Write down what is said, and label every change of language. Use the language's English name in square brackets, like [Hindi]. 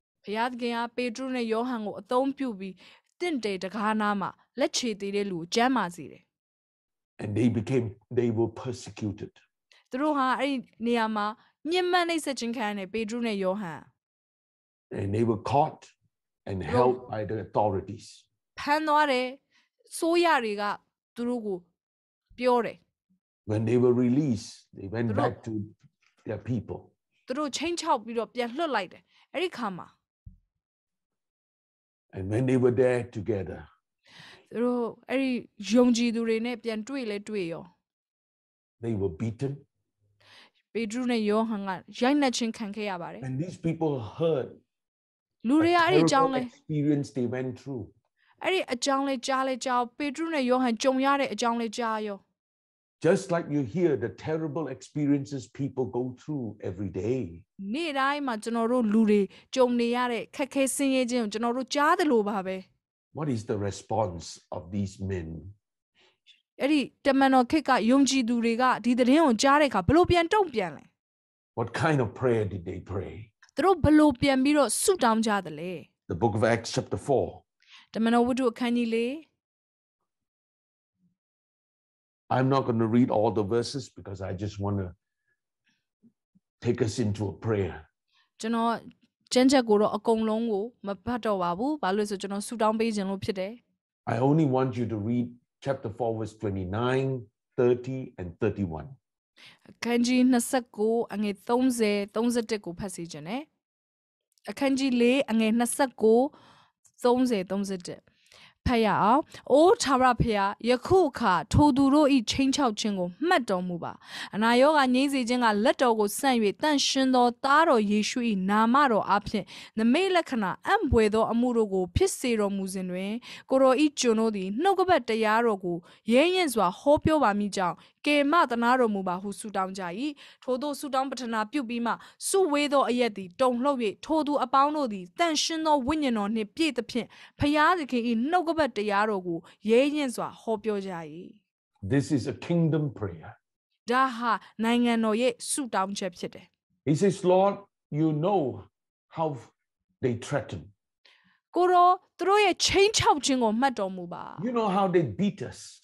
[Burmese] ဖယားခင်ကပေတရုနဲ့ယောဟန်ကိုအသုံးပြုပြီးတင့်တယ်တကားနာမှာလက်ချေသေးတဲ့လူကိုကျမ်းမာစေတယ်။ [English] And they were persecuted. [Burmese] သူတို့ဟာအဲ့ဒီနေရာမှာညှဉ်းပန်းနှိပ်စက်ခြင်းခံရတဲ့ပေတရုနဲ့ယောဟန် [English] And they were caught and held by the authorities. [Burmese] ဖမ်းသွားတယ်။စိုးရတွေကသူတို့ကိုပြောတယ်။ [English] When they were released, they went back to their people. [Burmese] သူတို့ချင်းချောက်ပြီးတော့ပြန်လွတ်လိုက်တယ်။အဲ့ဒီခါမှာ [English] And when they were there together. [Burmese] သူတို့အဲ့ဒီယုံကြည်သူတွေနဲ့ပြန်တွေ့လဲတွေ့ရော [English] They were beaten. [Burmese] ပေတရုနဲ့ယောဟန်ကရိုက်နှက်ခြင်းခံခဲ့ရပါတယ်။ [English] And these people heard. [Burmese] လူတွေအဲ့ဒီအကြောင်းလဲ [English] experience they went through. [Burmese] အဲ့ဒီအကြောင်းလေးကြားလေးကြားပေတရုနဲ့ယောဟန်ကြုံရတဲ့အကြောင်းလေးကြားရော [English] Just like you hear the terrible experiences people go through every day [Burmese] နေ့တိုင်းမှာကျွန်တော်တို့လူတွေကြုံနေရတဲ့ခက်ခဲဆင်းရဲခြင်းကိုကျွန်တော်တို့ကြားသလိုပါပဲ [English] What is the response of these men [Burmese] အဲ့ဒီတမန်တော်ခေတ်ကယုံကြည်သူတွေကဒီသတင်းကိုကြားတဲ့အခါဘလို့ပြန်တုံ့ပြန်လဲ [English] What kind of prayer did they pray [Burmese] သူတို့ဘလို့ပြန်ပြီးတော့ဆုတောင်းကြသလဲ [English] The book of Acts chapter 4 [Burmese] တမန်တော်ဝတ္ထုအခန်းကြီးလေး [English] I'm not going to read all the verses because I just want to take us into a prayer [Burmese] ကျွန်တော်ကျမ်းချက်ကိုတော့အကုန်လုံးကိုမဖတ်တော့ပါဘူးဘာလို့လဲဆိုကျွန်တော်ဆုတောင်းပေးခြင်းလို့ဖြစ်တယ် [English] I only want you to read chapter 4 verse 29 30 and 31 [Burmese] အခန်းကြီး29အငယ်30 31ကိုဖတ်စီခြင်း ਨੇ အခန်းကြီး4အငယ်29 30 31ဖတ်ရအောင်အိုးသာရဖေယယခုအခါထိုသူတို့ဤချင်းချောက်ခြင်းကိုမှတ်တော်မူပါအနာရောဂါငြိမ်းစေခြင်းကလက်တော်ကိုဆန့်၍တန့်ရှင်းသောသားတော်ယေရှု၏နာမတော်အားဖြင့်နမိတ်လက္ခဏာအံ့ဖွယ်သောအမှုတို့ကိုဖြစ်စေတော်မူစဉ်တွင် ကိုတော်ဤကျွန်တို့သည်နှုတ်ကပတ်တရားတော်ကိုရဲရင်စွာဟောပြောပါမိကြောင်းကေမသနာတော်မူပါဟုဆုတောင်းကြ၏ထိုသူဆုတောင်းပတနာပြုပြီးမှဆုဝေးသောအရက်သည်တုန်လှုပ်၍ထိုသူအပေါင်းတို့သည်တန့်ရှင်းသောဝိညာဉ်တော်နှင့်ပြည့်သဖြင့်ဖျားသခင်ဤနှုတ်ကပတ်တရားတော်ကိုရဲရင်စွာဟောပြောကြ၏ [English] This is a kingdom prayer [Burmese] ဒါဟာနိုင်ငံတော်ရဲ့ဆုတောင်းချက်ဖြစ်တယ် [English] He says Lord you know how they threaten [Burmese] ကိုတော်သူတို့ရဲ့ချိန်ချောက်ခြင်းကိုမှတ်တော်မူပါ [English] You know how they beat us